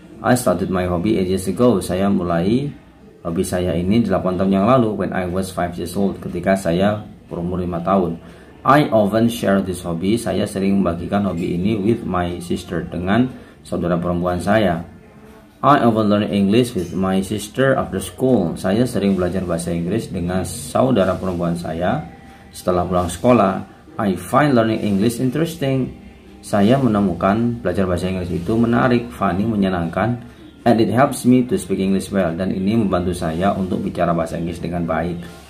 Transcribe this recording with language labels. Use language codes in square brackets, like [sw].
[en] I started my hobby 8 years ago. [id] Saya mulai hobi saya ini 8 tahun yang lalu, [en] when I was 5 years old, [id] ketika saya berumur 5 tahun. [en] I often share this hobby. [id] Saya sering membagikan hobi ini [en] with my sister, [id] dengan saudara perempuan saya. [en] I often learn English with my sister after school. [id] Saya sering belajar bahasa Inggris dengan saudara perempuan saya setelah pulang sekolah. [en] I find learning English interesting. [id] Saya menemukan belajar bahasa Inggris itu menarik, [en] funny, [id] menyenangkan, [en] and it helps me to speak English well. [id] Dan ini membantu saya untuk bicara bahasa Inggris dengan baik.